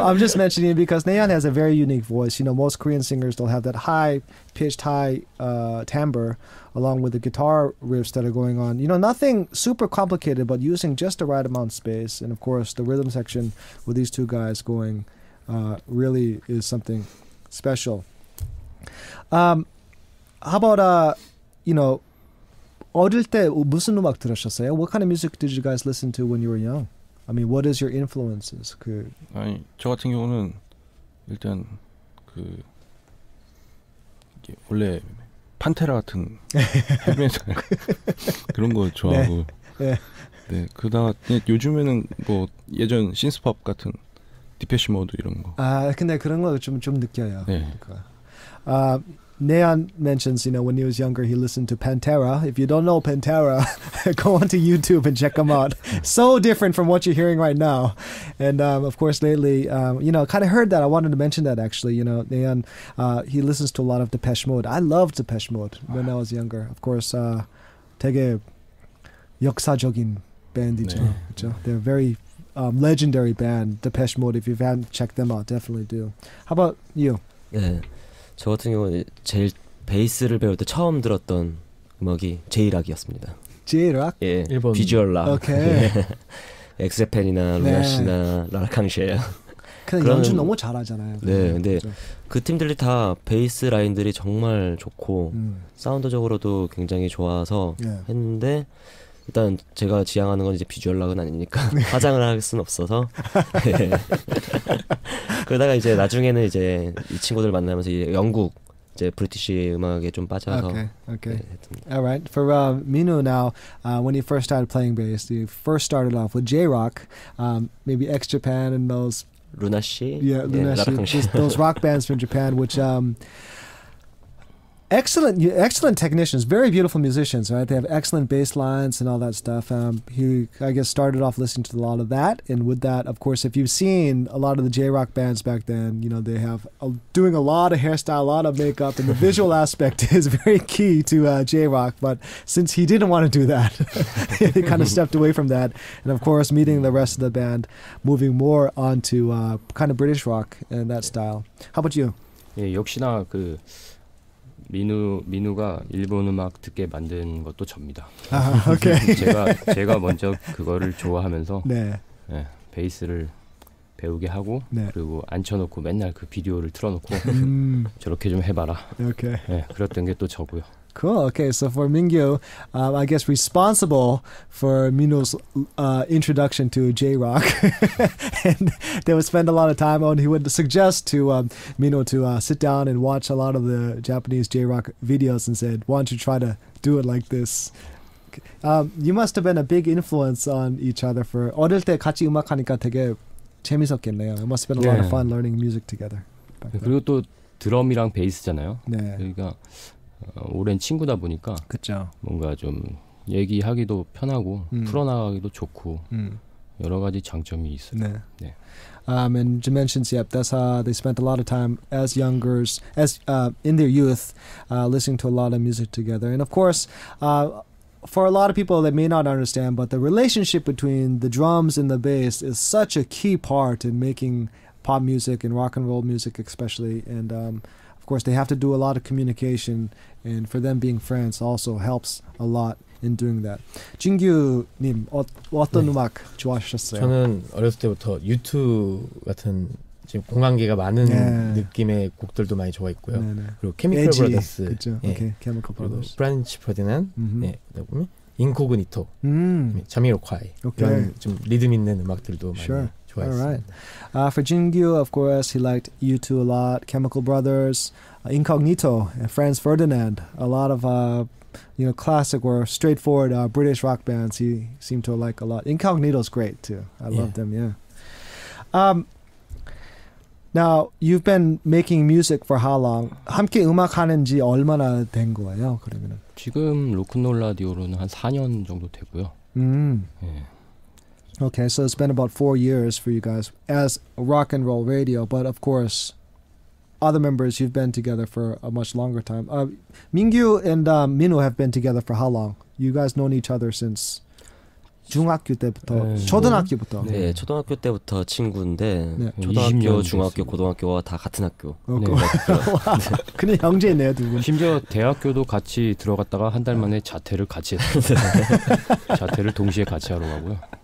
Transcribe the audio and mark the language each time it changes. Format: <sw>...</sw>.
<en>I'm just mentioning because Nayeon has a very unique voice. You know, most Korean singers don't have that high-pitched, high timbre along with the guitar riffs that are going on. You know, nothing super complicated, but using just the right amount of space. And of course, the rhythm section with these two guys going really is something special. How about you know?</en> <ko>어릴 때 무슨 음악 들으셨어요?</ko> <en>What kind of music did you guys listen to when you were young? I mean, what is your influences? 그</en> <ko>아니 저 같은 경우는 일단 그 원래 판테라 같은 헤비메탈 그런 거 좋아하고 네 그다가 네. 네, 요즘에는 뭐 예전 신스팝 같은 디페시 모드 이런 거 아 근데 그런 거 좀 느껴요. 네.</ko> <en>아 Nayeon mentions, you know, when he was younger, he listened to Pantera. If you don't know Pantera, go onto YouTube and check him out. So different from what you're hearing right now. And, of course, lately, you know, kind of heard that. I wanted to mention that, actually. You know, Nayeon, he listens to a lot of Depeche Mode. I loved Depeche Mode when I was younger. Of course,</en> <ko>되게 역사적인 밴드죠. 네. 그렇죠?</ko> <en>They're a very legendary band, Depeche Mode. If you haven't checked them out, definitely do. How about you? Yeah.</en> <ko>저 같은 경우 제일 베이스를 배울 때 처음 들었던 음악이 J-Rock이었습니다. J-Rock? 예, 일본. 비주얼 락. 오케이. 엑스제펜이나 루야시나 라라캉쉐야. 근데 연주 너무 잘하잖아요. 네, 그렇죠. 근데 그 팀들이 다 베이스 라인들이 정말 좋고 사운드적으로도 굉장히 좋아서 했는데 일단 제가 지향하는 건 이제 비주얼 락은 아니니까 화장을 할 수는 없어서 그러다가 이제 나중에는 이제 이 친구들 만나면서 이제 영국 이제 브리티시 음악에 좀 빠져서</ko> <en>okay. 네, All right. For Minu now, when he first started playing bass, he first started off with J-Rock, maybe ex-Japan and those Lunashi, yeah, Lunashi, those rock bands from Japan, which excellent technicians, very beautiful musicians, right? They have excellent bass lines and all that stuff. He, I guess, started off listening to a lot of that. And with that, of course, if you've seen a lot of the J-Rock bands back then, you know, they have doing a lot of hairstyle, a lot of makeup, and the visual aspect is very key to J-Rock. But since he didn't want to do that, he kind of stepped away from that. And of course, meeting the rest of the band, moving more onto kind of British rock and that style. How about you?</en> <ko>예, 역시나 그... 민우가 일본 음악 듣게 만든 것도 접니다. 아, 오케이. 제가 먼저 그거를 좋아하면서 네. 네, 베이스를 배우게 하고 네. 그리고 앉혀놓고 맨날 그 비디오를 틀어놓고 저렇게 좀 해봐라. 오케이. 네, 그랬던 게 또 저고요.</ko> <en>Cool. Okay. So for Mingyu, I guess responsible for Minho's introduction to J-Rock. And they would spend a lot of time on. He would suggest to Minho to sit down and watch a lot of the Japanese J-Rock videos and said, why don't you try to do it like this? You must have been a big influence on each other. For</en> <ko>어릴 때 같이 음악하니까 되게 재밌었겠네요.</ko> <en>It must have been a lot of fun learning music together.</en> <ko>그리고 또 드럼이랑 베이스잖아요. 네. 그러니까 오랜 친구다 보니까 그쵸. 뭔가 좀 얘기하기도 편하고 풀어나가기도 좋고 여러 가지 장점이 있어요. 네. 네.</ko> <en>And you mentioned, yep, that's how they spent a lot of time as youngers, as in their youth, listening to a lot of music together. And of course, for a lot of people, they may not understand, but the relationship between the drums and the bass is such a key part in making pop music and rock and roll music especially. And of course, they have to do a lot of communication, and for them being friends also helps a lot in doing that.</en> <ko>진규님, 어떤 네. 음악 좋아하셨어요? 저는 어렸을 때부터 U2 같은 지금 공간계가 많은 네. 느낌의 곡들도 많이 좋아했고요. 네, 네. 그리고 Chemical Brothers, 그렇죠. 네.</ko> <en>Okay.</en> <ko>Chemical Brothers, 그리고 Franz Ferdinand, 네, 보면 Incognito, 자미로콰이 이런 좀 리듬 있는 음악들도 많이.</ko> <en>Sure. All right. For Jingyu, of course, he liked U2 a lot, Chemical Brothers, Incognito, and Franz Ferdinand. A lot of, you know, classic or straightforward British rock bands he seemed to like a lot. Incognito's great, too. I love them, yeah. Now, you've been making music for how long?</en> <ko>함께 음악하는 지 얼마나 된 거예요? 그러면은 지금 로큰롤라디오로는 한 4년 정도 되고요. 예.</ko> <en>Okay, so it's been about 4 years for you guys as rock and roll radio, but of course other members you've been together for a much longer time. Mingyu and Minho have been together for how long? You guys known each other since</en> <ko>중학교 때부터 네. 초등학교부터 네. 네 초등학교 때부터 친구인데 네. 초등학교 중학교 고등학교와 다 같은 학교 네. 그냥 형제네요 두 분 심지어 대학교도 같이 들어갔다가 한 달 만에 자퇴를 같이 했어요 자퇴를 동시에 같이 하러 가고요</ko>